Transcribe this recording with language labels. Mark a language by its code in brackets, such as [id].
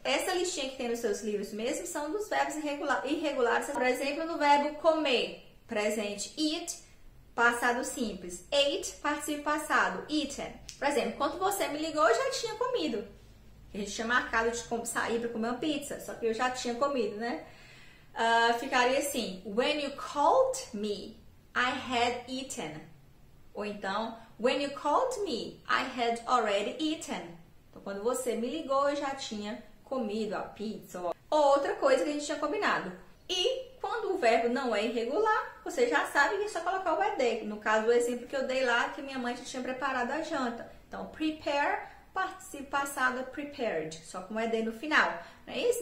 [pt] Essa listinha que tem nos seus livros mesmo são dos verbos irregulares. Por exemplo, no verbo comer, presente, eat, passado simples. Ate, participio passado, eaten. Por exemplo, quando você me ligou, eu já tinha comido. A gente tinha marcado de sair para comer uma pizza, só que eu já tinha comido, né? Ficaria assim, [en] when you called me, I had eaten. [pt] Ou então, [en] when you called me, I had already eaten. [pt] Então, quando você me ligou, eu já tinha comido a pizza. Ou outra coisa que a gente tinha combinado. E quando o verbo não é irregular, você já sabe que é só colocar o ED. No caso, o exemplo que eu dei lá, que minha mãe já tinha preparado a janta. Então, prepare, participo passado prepared, só com ED no final, não é isso?